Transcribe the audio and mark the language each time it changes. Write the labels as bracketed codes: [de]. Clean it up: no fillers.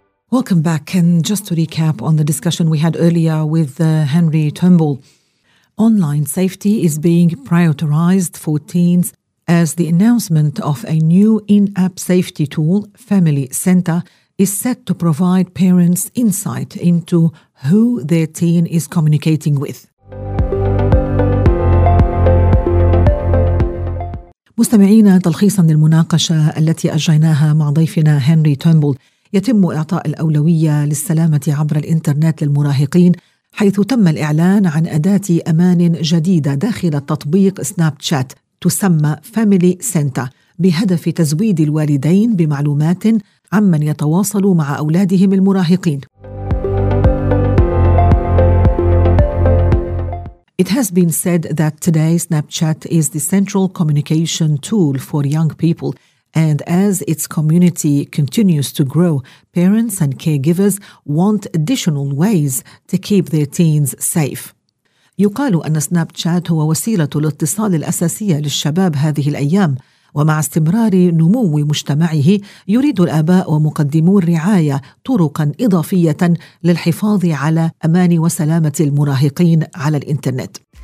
[en] Welcome back, and just to recap on the discussion we had earlier with Henry Tumble, online safety is being prioritized for teens as the announcement of a new in-app safety tool, Family Center, is set to provide parents insight into who their teen is communicating with. [ar] مستمعينا، تلخيصا للمناقشة التي أجريناها مع ضيفنا هنري تومبول، يتم إعطاء الأولوية للسلامة عبر الإنترنت للمراهقين، حيث تم الإعلان عن أداة أمان جديدة داخل التطبيق سناب شات تسمى Family Center، بهدف تزويد الوالدين بمعلومات عمن يتواصل مع أولادهم المراهقين. [en] It has been said that today Snapchat is the central communication tool for young people, and as its community continues to grow, parents and caregivers want additional ways to keep their teens safe. [ar] يقال أن سناب شات هو وسيلة الاتصال الأساسية للشباب هذه الأيام، ومع استمرار نمو مجتمعه يريد الآباء ومقدمو الرعاية طرقا إضافية للحفاظ على أمان وسلامة المراهقين على الإنترنت.